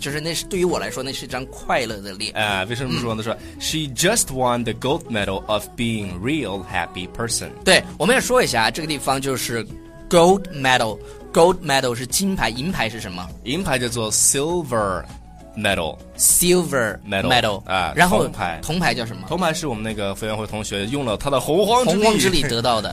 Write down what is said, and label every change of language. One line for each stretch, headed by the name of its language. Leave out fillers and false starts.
Chinese: 就是那是对于我来说，那是一张快乐的脸。为什么说呢？说
English: She just won the gold medal of being real happy person.
Chinese: 对，我们要说一下这个地方就是 gold medal. Gold medal 是金牌，银牌是什么？银牌叫做 silver medal.
English: Silver medal.
Chinese: 然后铜牌，铜牌叫什么？铜牌是我们那个傅园慧同学用了他的洪荒洪荒之力得到的，